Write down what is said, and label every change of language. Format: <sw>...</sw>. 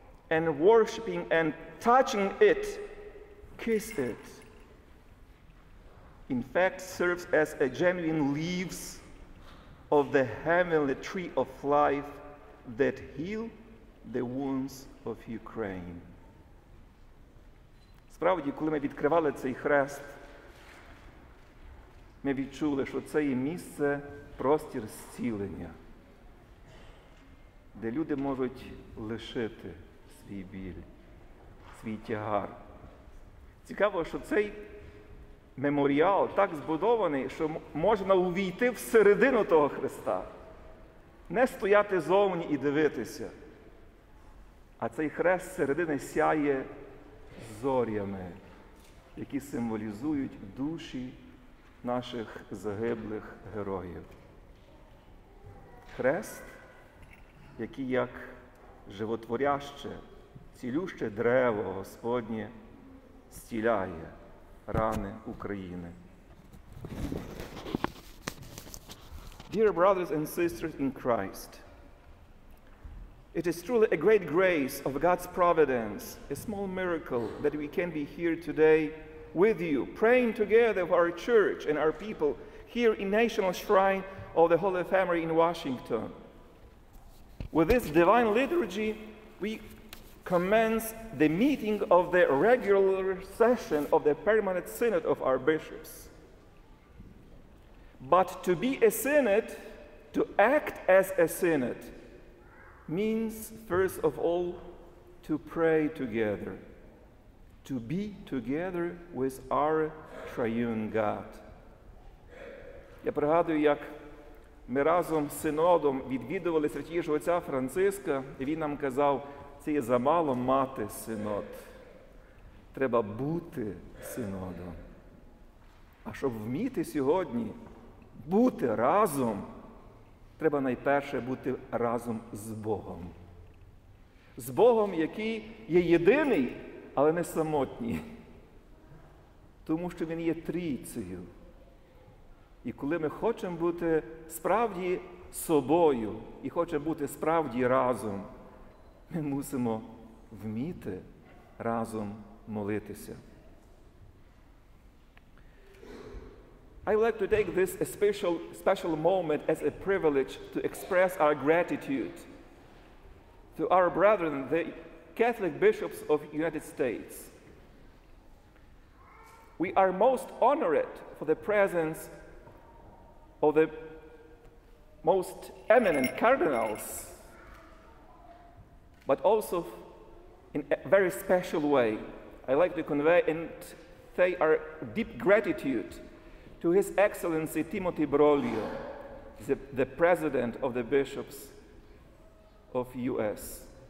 <en>And worshiping and touching it, kiss it, in fact, serves as a genuine leaves of the heavenly tree of life that heal the wounds of Ukraine.</en> <uk>Справді, коли ми відкривали цей хрест, ми відчули, що це є місце, простір зцілення, де люди можуть лишити свій біль, свій тягар. Цікаво, що цей меморіал так збудований, що можна увійти всередину того Христа, не стояти зовні і дивитися, а цей хрест зсередини сяє зорями, які символізують душі наших загиблих героїв. Хрест, який як животворяще, цілюще дерево Господнє, зціляє рани України.</uk> <en>Dear brothers and sisters in Christ, it is truly a great grace of God's providence, a small miracle that we can be here today with you, praying together for our church and our people here in National Shrine of the Holy Family in Washington. With this divine liturgy, we commence the meeting of the regular session of the permanent synod of our bishops. But to be a synod, to act as a synod, means first of all to pray together, to be together with our triune God.</en> <uk>Я пригадую, як ми разом з Синодом відвідували Святішого Отця Франциска, і він нам казав, це є замало мати Синод. Треба бути Синодом. А щоб вміти сьогодні бути разом, треба найперше бути разом з Богом. З Богом, який є єдиний, але не самотній. Тому що Він є трійцею. І коли ми хочемо бути справді собою і хочемо бути справді разом, ми мусимо вміти разом молитися.</uk> <en>I would like to take this special moment as a privilege to express our gratitude to our brethren, the Catholic bishops of the United States. We are most honored for the presence of the most eminent cardinals, but also in a very special way, I like to convey and say our deep gratitude to His Excellency Timothy Broglio, the President of the Bishops of US.</en>